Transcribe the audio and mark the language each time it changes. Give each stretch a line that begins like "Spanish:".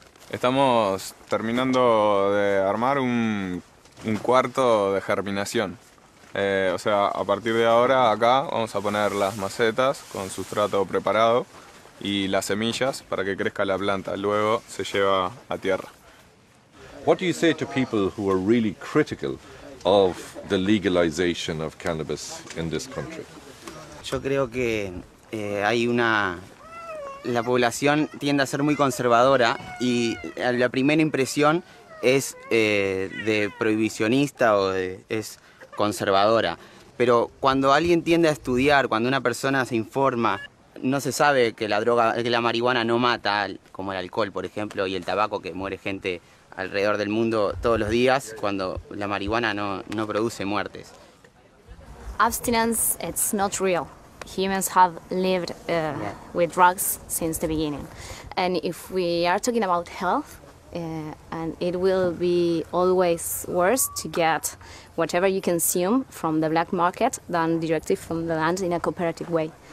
Spanish: Estamos terminando de armar un cuarto de germinación. O sea, a partir de ahora acá vamos a poner las macetas con sustrato preparado y las semillas para que crezca la planta. Luego se lleva a tierra.
English: What do you say to people who are really critical of the legalization of cannabis in this country?
Spanish: Yo creo que hay una... La población tiende a ser muy conservadora y la primera impresión es de prohibicionista o es conservadora. Pero cuando alguien tiende a estudiar, cuando una persona se informa, no se sabe que la droga, que la marihuana no mata, como el alcohol, por ejemplo, y el tabaco, que muere gente alrededor del mundo todos los días, cuando la marihuana no produce muertes.
English: Abstinence, it's not real. Humans have lived with drugs since the beginning. And if we are talking about health, and it will be always worse to get whatever you consume from the black market than directly from the land in a cooperative way.